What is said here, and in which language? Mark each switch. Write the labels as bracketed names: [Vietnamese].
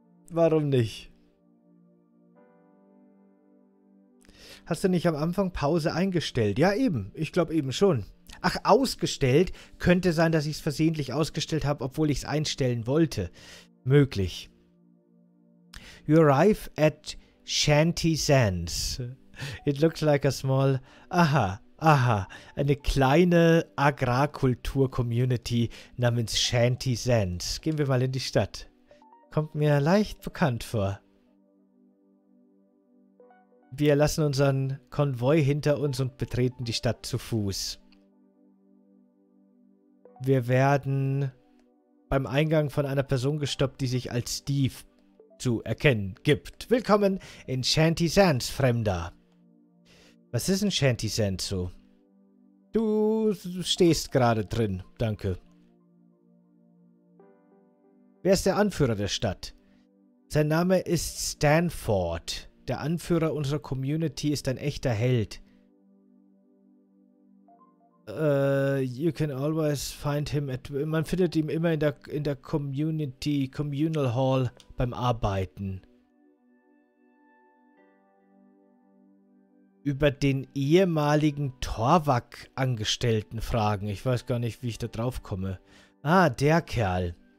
[German] Warum nicht? Hast du nicht am Anfang Pause eingestellt? Ja, eben. Ich glaube eben schon. Ach, ausgestellt? Könnte sein, dass ich es versehentlich ausgestellt habe, obwohl ich es einstellen wollte. Möglich. [English] You arrive at Shanty Sands. It looks like a small. [German] Aha. Eine kleine Agrarkultur-Community namens Shanty Sands. Gehen wir mal in die Stadt. Kommt mir leicht bekannt vor. Wir lassen unseren Konvoi hinter uns und betreten die Stadt zu Fuß. Wir werden beim Eingang von einer Person gestoppt, die sich als Steve zu erkennen gibt. Willkommen in Shanty Sands, Fremder. Was ist ein Shanty Sands so? Du stehst gerade drin, danke. Wer ist der Anführer der Stadt? Sein Name ist Stanford. Der Anführer unserer Community ist ein echter Held. [English] You can always find him at. [German] Man findet ihn immer in der Community, Communal Hall beim Arbeiten. Über den ehemaligen Torwak-Angestellten fragen. Ich weiß gar nicht, wie ich da drauf komme. Ah, der Kerl.